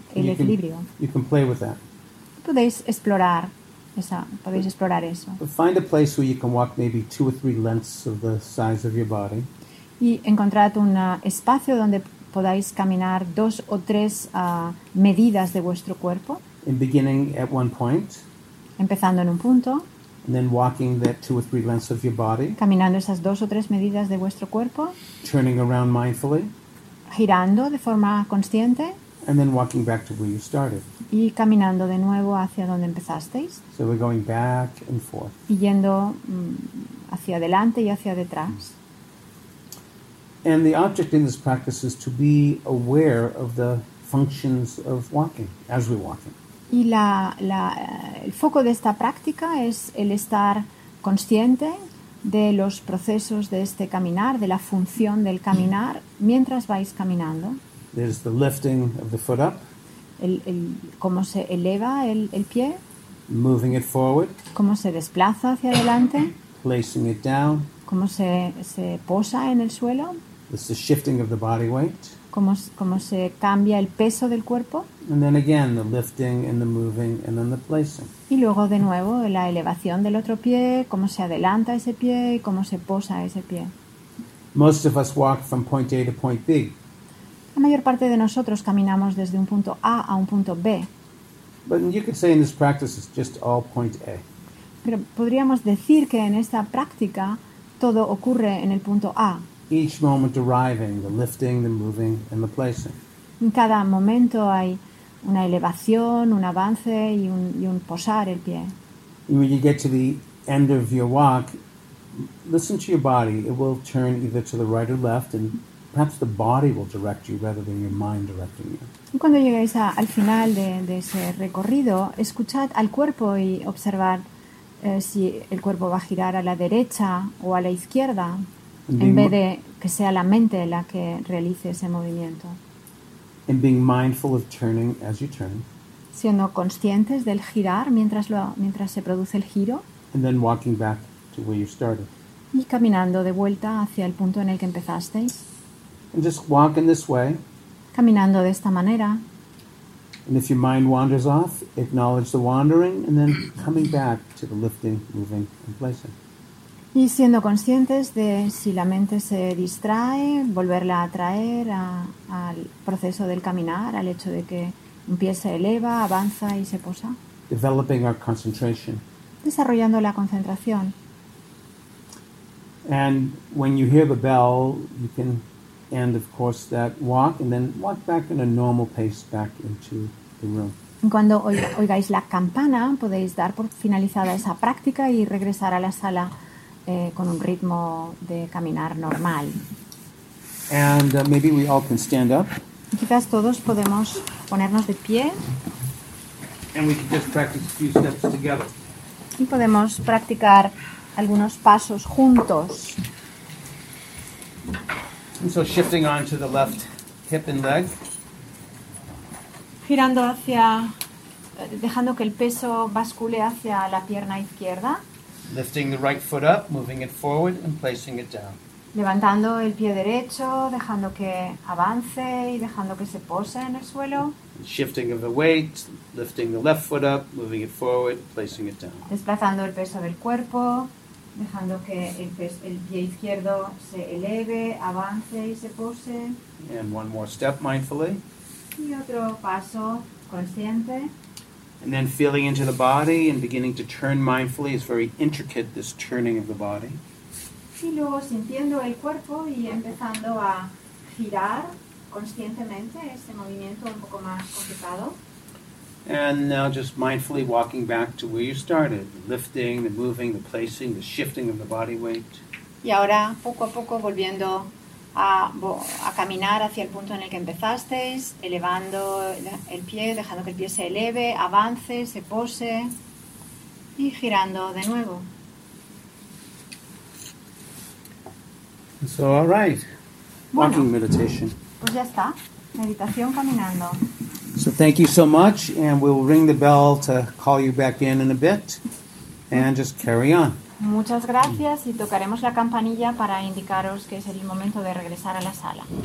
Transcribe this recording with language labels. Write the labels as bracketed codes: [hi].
[en] You can play with that. [es] Podéis explorar eso. [en] But find a place where you can walk maybe 2 or 3 lengths of the size of your body. [es] Y encontrad un espacio donde podáis caminar 2 o 3 medidas de vuestro cuerpo. [en] In beginning at one point. [es] Empezando en un punto. [en] And then walking that 2 or 3 lengths of your body. [es] Caminando esas 2 o 3 medidas de vuestro cuerpo. [en] Turning around mindfully. [es] Girando de forma consciente. [en] And then walking back to where you started. [es] Y caminando de nuevo hacia donde empezasteis. [en] So we're going back and forth. [es] Y yendo hacia adelante y hacia detrás. [en] And the object in this practice is to be aware of the functions of walking as we're walking. [es] Y el foco de esta práctica es el estar consciente de los procesos de este caminar, de la función del caminar mientras vais caminando. [en] There's the lifting of the foot up. [es] El cómo se eleva el pie. [en] Moving it forward. [es] Cómo se desplaza hacia adelante. [en] Placing it down. [es] Cómo se posa en el suelo. [en] This is shifting of the body weight. [es] Cómo se cambia el peso del cuerpo. [en] And then again, the lifting and the moving and then the placing. [es] Y luego de nuevo la elevación del otro pie, cómo se adelanta ese pie y cómo se posa ese pie. [en] Most of us walk from point A to point B. [es] La mayor parte de nosotros caminamos desde un punto A a un punto B. [en] But you could say in this practice it's just all point A. [es] Pero podríamos decir que en esta práctica todo ocurre en el punto A. [en] Each moment arriving, the lifting, the moving, and the placing. [es] En cada momento hay una elevación, un avance y un posar el pie. [en] And when you get to the end of your walk, listen to your body. It will turn either to the right or left, and perhaps the body will direct you rather than your mind directing you. [es] Y cuando lleguéis al final de ese recorrido, escuchad al cuerpo y observad si el cuerpo va a girar a la derecha o a la izquierda. En vez de que sea la mente la que realice ese movimiento. [en] And being mindful of turning as you turn. [es] Siendo conscientes del girar mientras se produce el giro. [en] And then walking back to where you started. [es] Y caminando de vuelta hacia el punto en el que empezasteis. [en] And just walk in this way. [es] Caminando de esta manera. [en] And if your mind wanders off, acknowledge the wandering and then coming back to the lifting, moving and placing. [es] Y siendo conscientes de si la mente se distrae, volverla a traer al proceso del caminar, al hecho de que un pie se eleva, avanza y se posa. [en] Developing our concentration. [es] Desarrollando la concentración. [en] And when you hear the bell, you can end, of course, that walk and then walk back in a normal pace back into the room. [es] Cuando oigáis la campana, podéis dar por finalizada esa práctica y regresar a la sala. Con un ritmo de caminar normal. [en] And maybe we all can stand up. [es] Y quizás todos podemos ponernos de pie. [en] And we can just practice a few steps together. [es] Y podemos practicar algunos pasos juntos. [en] And so shifting on to the left hip and leg. [es] Girando hacia, dejando que el peso bascule hacia la pierna izquierda. [en] Lifting the right foot up, moving it forward and placing it down. [es] Levantando el pie derecho, dejando que avance y dejando que se pose en el suelo. [en] Shifting of the weight, lifting the left foot up, moving it forward, placing it down. [es] Desplazando el peso del cuerpo, dejando que el pie izquierdo se eleve, avance y se pose. [en] And one more step mindfully. [es] Y otro paso consciente. [en] And then feeling into the body and beginning to turn mindfully is very intricate, this turning of the body. [es] Y luego sintiendo el cuerpo y empezando a girar conscientemente, este movimiento un poco más complicado. [en] And now just mindfully walking back to where you started, lifting, the moving, the placing, the shifting of the body weight. [es] Y ahora poco a poco volviendo a caminar hacia el punto en el que empezasteis, elevando el pie, dejando que el pie se eleve, avance, se pose y girando de nuevo. [en] So, all right. [es] Bueno, [en] walking meditation. [es] Pues ya está. Meditación caminando. So [en] thank you so much, and we'll ring the bell to call you back in a bit, and just carry on. [es] Muchas gracias, y tocaremos la campanilla para indicaros que es el momento de regresar a la sala.